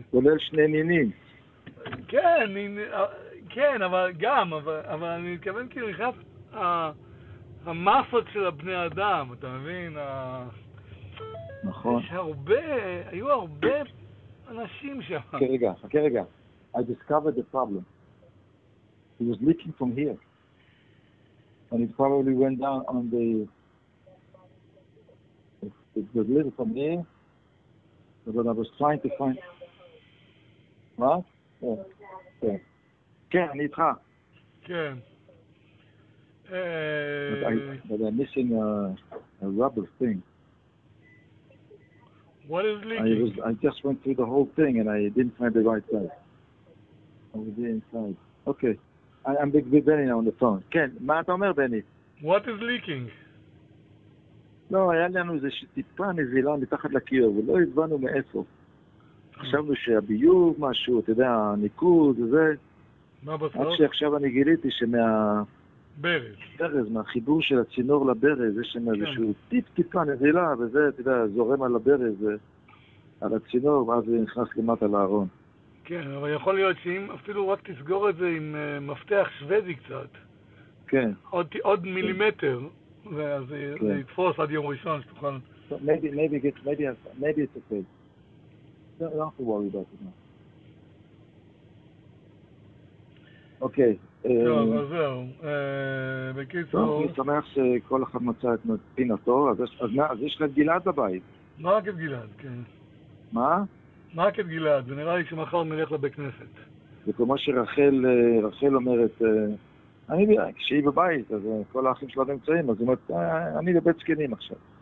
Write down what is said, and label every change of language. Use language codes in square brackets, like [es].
[he] כולל שני נינים. כן, כן, אבל גם, אבל אני מתכוון כאילו, נכנס המסות של הבני אדם, אתה מבין? נכון. יש הרבה, היו הרבה אנשים שם. חכה רגע. [en] I discovered the problem. He was leaking from here. And it probably went down on the... It was a little from there. But I was trying to find... What? Yeah. Yeah, Nitra. Yeah. But I'm missing a rubber thing. What is leaking? I just went through the whole thing and I didn't find the right place. I was there inside. Okay. I'm with Benny now on the phone. [he] כן, מה אתה אומר, בני? [en] What is leaking? [he] לא, היה לנו איזה טיפה נזילה מתחת לקיר, ולא הבנו מאיפה. חשבנו שהביוב משהו, אתה יודע, ניקוד וזה. מה בסוף? עד שעכשיו אני גיליתי שמה... ברז, מהחיבור של הצינור לברז, יש שם איזשהו טיפה נזילה, וזה, אתה יודע, זורם על הברז, על הצינור, ואז זה נכנס למטה לארון. כן, אבל יכול להיות שאם אפילו רק תסגור את זה עם מפתח שוודי קצת. כן. עוד מילימטר, כן. ואז זה יתפוס עד יום ראשון שתוכל. [en] So maybe it's okay. Don't have to worry about it now. Okay. [he] טוב, אז זהו. אני שמח שכל אחד מצא את פינתו, אז יש לך את גלעד בבית. רק את גלעד, כן. מה? רק את גלעד, ונראה לי שמחר נלך לבית כנסת. זה כמו שרחל אומרת, אני נראה, כשהיא בבית, אז כל האחים שלו נמצאים, אז היא אומרת, אני לבית זקנים עכשיו.